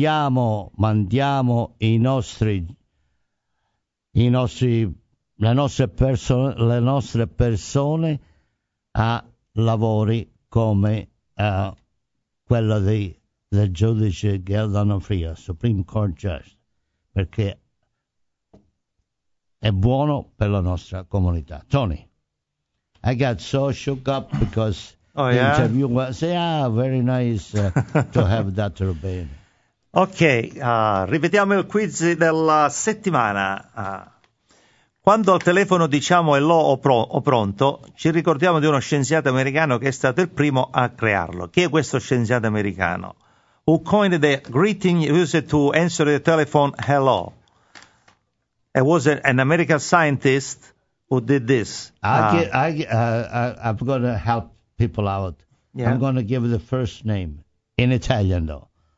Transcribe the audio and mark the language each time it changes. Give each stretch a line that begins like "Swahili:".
Italian: Mandiamo le nostre persone a lavori come quello del giudice Gail D'Onofrio,
English: Supreme Court Judge,
Italian: perché è buono per la nostra comunità.
English: Tony, I got so shook up because interview was very nice to have that Rubin.
Italian: Ok, ripetiamo il quiz della settimana. Quando al telefono diciamo hello o pronto, ci ricordiamo di uno scienziato americano che è stato il primo a crearlo. Chi è questo scienziato americano?
English: Who coined the greeting used to answer the telephone hello? It was an American scientist who did this. I'm going to help people out. Yeah. I'm going to give the first name in Italian, though.